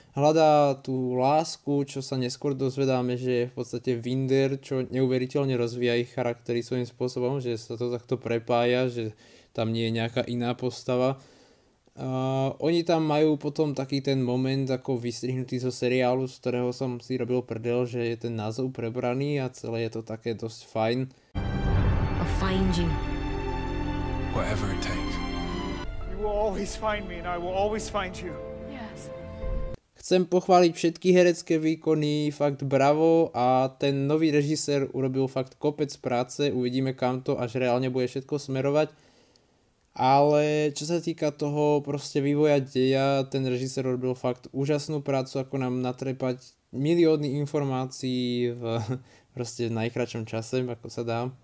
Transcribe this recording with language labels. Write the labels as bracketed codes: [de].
[sk] Hľadá tú lásku, čo sa neskôr dozvedáme, že je v podstate Winder, čo neuveriteľne rozvíja ich charaktery svojím spôsobom, že sa to takto prepája, že tam nie je nejaká iná postava. Oni tam majú potom taký ten moment ako vystrihnutý zo seriálu, z ktorého som si robil prdel, že je ten názov prebraný a celé je to také dosť fajn. [en] I'll find you. Whatever it takes. You will always find me and I will always find you. Yes. [sk] chcem pochváliť všetky herecké výkony, fakt bravo, a ten nový režisér urobil fakt kopec práce, uvidíme kam to až reálne bude všetko smerovať. Ale čo sa týka toho proste vývoja deja, ten režisér urobil fakt úžasnú prácu, ako nám natrepať milióny informácií v proste v najkračom čase, ako sa dá.